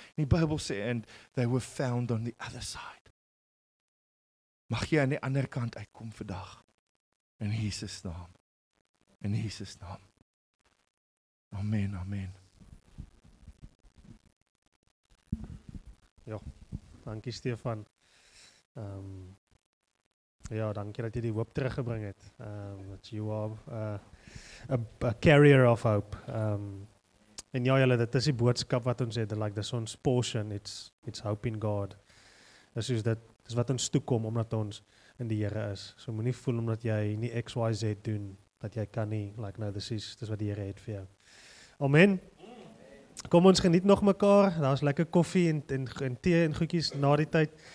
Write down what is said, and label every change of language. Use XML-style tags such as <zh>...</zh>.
<af>En die Bybel sê,</af> <en>and they were found on the other side.</en> <af>Mag jy aan die ander kant uitkom vandag. In Jesus naam. In Jesus naam. Amen, amen. Ja, dankie Stefan. Ja, dankie dat jy die hoop teruggebring het. Dat jy hoop...</af> <en>A carrier of hope.</en> <af>En ja, julle, dit is die boodskap wat ons het, like dis ons portion,</af> <en>it's hope in God.</en> <af>Dis wat ons toekom, omdat ons in die Here is. So moet nie voel, omdat jy nie X, Y, Z doen, dat jy kan nie, like no, dis wat die Here het vir jou. Amen. Kom, ons geniet nog mekaar, daar is lekker koffie en thee en goedjies na die tyd.</af>